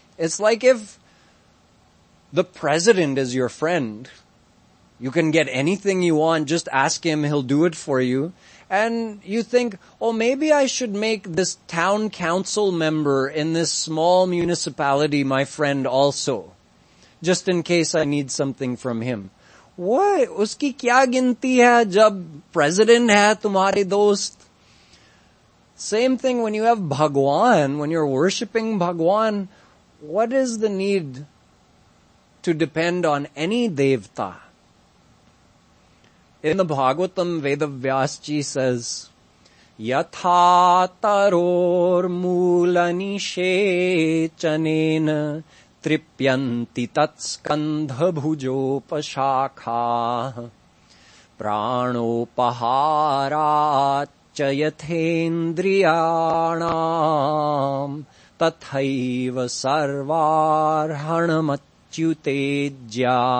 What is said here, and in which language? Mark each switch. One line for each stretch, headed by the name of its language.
English: It's like if the president is your friend, you can get anything you want, just ask him, he'll do it for you. And you think, oh, maybe I should make this town council member in this small municipality my friend also, just in case I need something from him. What?
Hindi: उसकी क्या गिनती है जब president है तुम्हारे दोस्त?
English: Same thing when you have Bhagwan, when you're worshipping Bhagwan, what is the need to depend on any devta? In the Bhagavatam, Vedavyasji says,
Sanskrit: यथा तरोर्मूलनिषेचनेन तृप्यन्ति तत्स्कन्धभुजोपशाखाः प्राणोपहाराच्च यथेन्द्रियाणाम् तथैव सर्वार्हणमच्युतेज्या।